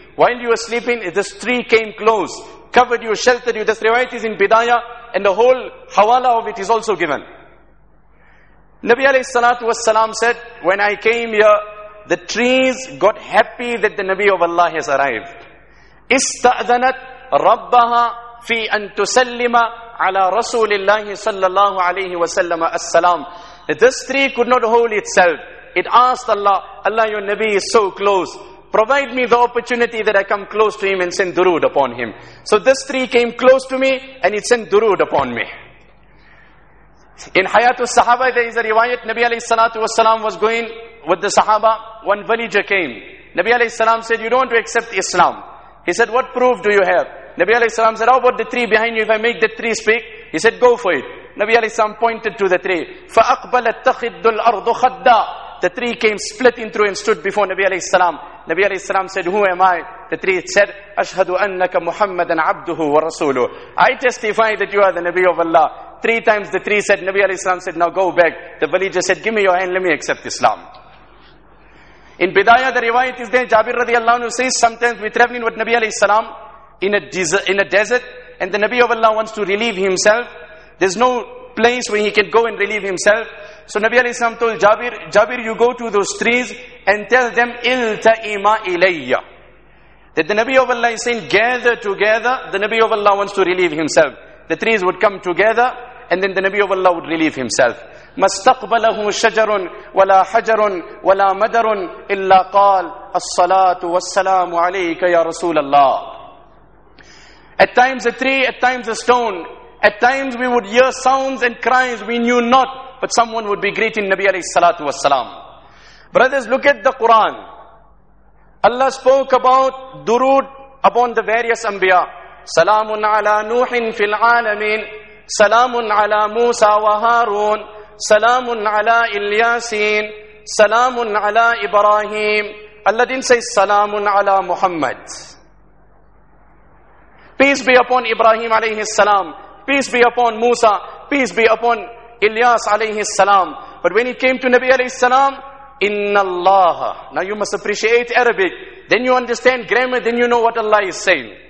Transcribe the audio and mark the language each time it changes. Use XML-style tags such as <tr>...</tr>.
<en>While you were sleeping, this tree came close, covered you, sheltered you." This riwayat is in Bidaya, and the whole hawala of it is also given. Nabi alayhi salatu wasalam said, "When I came here, the trees got happy that the Nabi of Allah has arrived.</en> <ar>استأذنت ربها في أن تسلم على رسول الله صلى الله عليه وسلم السلام."</ar> <en>This tree could not hold itself. It asked Allah, "Allah, your Nabi is so close. Provide me the opportunity that I come close to him and send durood upon him." So this tree came close to me and it sent durood upon me. In Hayatul Sahaba, there is a riwayat. Nabi alayhi salatu wasalam was going with the Sahaba. One villager came. Nabi alayhi salam said, "You don't want to accept Islam." He said, "What proof do you have?" Nabi alayhi salam said, "How about the tree behind you? If I make the tree speak." He said, "Go for it." Nabi alayhi salam pointed to the tree.</en> <ar>فَأَقْبَلَتْ تَخِدُّ الْأَرْضُ خَدَّى.</ar> <en>The tree came splitting through and stood before Nabi alayhi salam. Nabi alayhi salam said, "Who am I?" The tree said,</en> <ar>"أَشْهَدُ أَنَّكَ مُحَمَّدًا عَبْدُهُ وَرَسُولُهُ."</ar> <en>I testify that you are the Nabi of Allah. Three times the tree said, Nabi alayhi salam said, "Now go back." The villager said, "Give me your hand, let me accept Islam." In Bidaya, the riwayat is there, Jabir radiallahu anhu says, sometimes we're traveling with Nabi alayhi salam in a desert, and the Nabi of Allah wants to relieve himself. There's no place where he can go and relieve himself. So Nabi alayhi salam told Jabir, "You go to those trees and tell them,</en> <ar>Iltaima ilayya."</ar> <en>That the Nabi of Allah is saying, gather together, the Nabi of Allah wants to relieve himself. The trees would come together, and then the Nabi of Allah would relieve himself.</en> <ar>مَسْتَقْبَلَهُ شَجَرٌ وَلَا حَجَرٌ وَلَا مَدَرٌ إِلَّا قَالَ الصَّلَاةُ وَالسَّلَامُ عَلَيْكَ يَا رَسُولَ اللَّهِ.</ar> <en>At times a tree, at times a stone. At times we would hear sounds and cries we knew not, but someone would be greeting Nabi alayhi salatu wasalam. Brothers, look at the Quran. Allah spoke about durood upon the various anbiya.</en> <ar>سَلَامٌ عَلَى نُوحٍ فِي الْعَالَمِينَ سَلَامٌ عَلَى مُوسَى وَهَارُونَ سلام على إلياسين سلام على إبراهيم</ar> <en>Allah didn't say</en> <ar>Salamun ala Muhammad.</ar> <en>Peace be upon Ibrahim alayhi salam. Peace be upon Musa. Peace be upon Ilyas alayhi salam. But when he came to Nabi alayhi salam, Inna Allah. Now you must appreciate Arabic. Then you understand grammar. Then you know what Allah is saying.</en>